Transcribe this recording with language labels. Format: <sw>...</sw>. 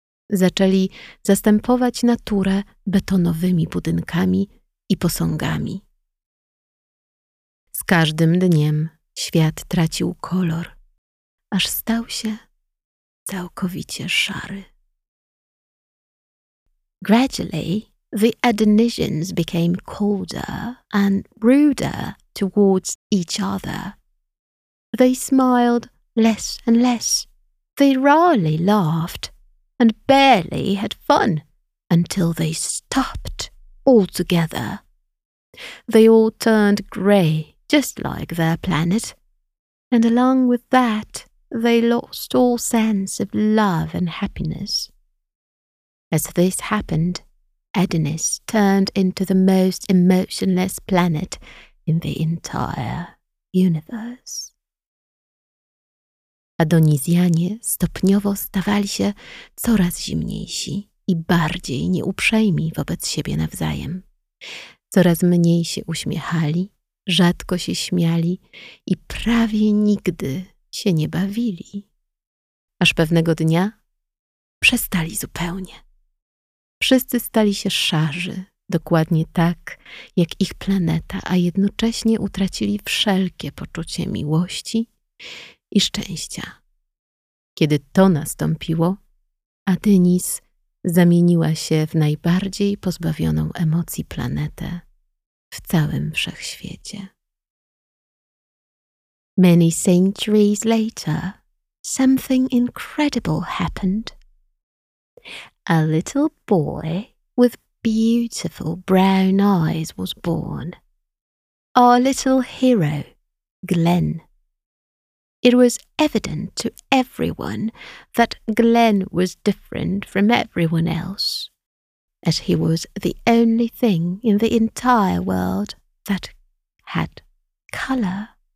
<pl>Zaczęli zastępować naturę betonowymi budynkami i posągami. Z każdym dniem świat tracił kolor, aż stał się całkowicie szary.</pl> <en>Gradually, the Adonisians became colder and ruder towards each other. They smiled less and less. They rarely laughed and barely had fun until they stopped altogether. They all turned grey, just like their planet, and along with that, they lost all sense of love and happiness. As this happened, Adonis turned into the most emotionless planet in the entire universe.</en> <pl>Adonizjanie stopniowo stawali się coraz zimniejsi i bardziej nieuprzejmi wobec siebie nawzajem. Coraz mniej się uśmiechali, rzadko się śmiali i prawie nigdy się nie bawili. Aż pewnego dnia przestali zupełnie. Wszyscy stali się szarzy, dokładnie tak jak ich planeta, a jednocześnie utracili wszelkie poczucie miłości i szczęścia. Kiedy to nastąpiło, Adynis zamieniła się w najbardziej pozbawioną emocji planetę w całym wszechświecie.</pl> <en>Many centuries later, something incredible happened. A little boy with beautiful brown eyes was born. Our little hero, Glenn. It was evident to everyone that Glenn was different from everyone else, as he was the only thing in the entire world that had colour.</en>